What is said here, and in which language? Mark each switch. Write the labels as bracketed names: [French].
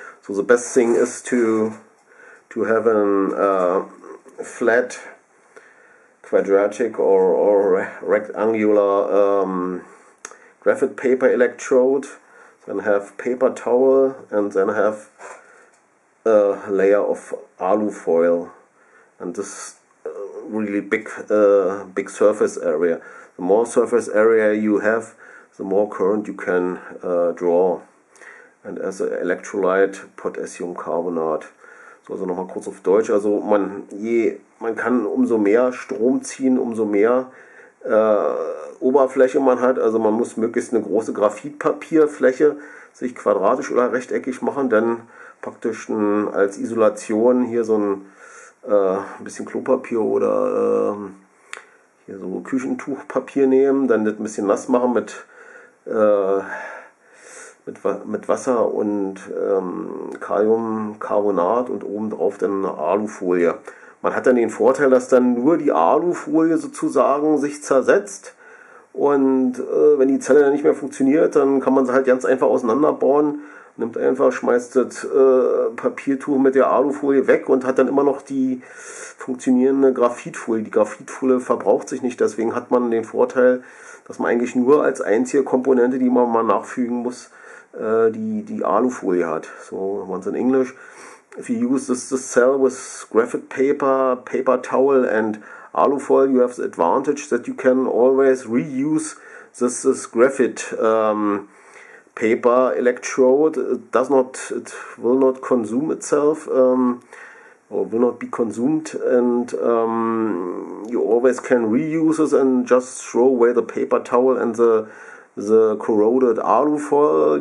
[English] So the best thing is to have a flat, quadratic or rectangular graphite paper electrode, then have paper towel, and then have a layer of alufoil, and this really big big surface area. The more surface area you have, the more current you can draw, and as an electrolyte, potassium carbonate. [German] So, also nochmal kurz auf Deutsch, also man kann umso mehr Strom ziehen, umso mehr Oberfläche man hat, also man muss möglichst eine große Graphitpapierfläche sich quadratisch oder rechteckig machen, dann praktisch als Isolation hier so ein bisschen Klopapier oder hier so Küchentuchpapier nehmen, dann das ein bisschen nass machen mit Wasser und Kaliumcarbonat und obendrauf dann eine Alufolie. Man hat dann den Vorteil, dass dann nur die Alufolie sozusagen sich zersetzt. Und wenn die Zelle dann nicht mehr funktioniert, dann kann man sie halt ganz einfach auseinanderbauen. Nimmt einfach, schmeißt das Papiertuch mit der Alufolie weg und hat dann immer noch die funktionierende Graphitfolie. Die Graphitfolie verbraucht sich nicht. Deswegen hat man den Vorteil, dass man eigentlich nur als einzige Komponente, die man mal nachfügen muss, die Alufolie hat. [English] So, once in English. If you use this cell with graphite paper towel and alufoil, you have the advantage that you can always reuse this graphite paper electrode. It will not consume itself, or will not be consumed, and you always can reuse it and just throw away the paper towel and the corroded alufoil.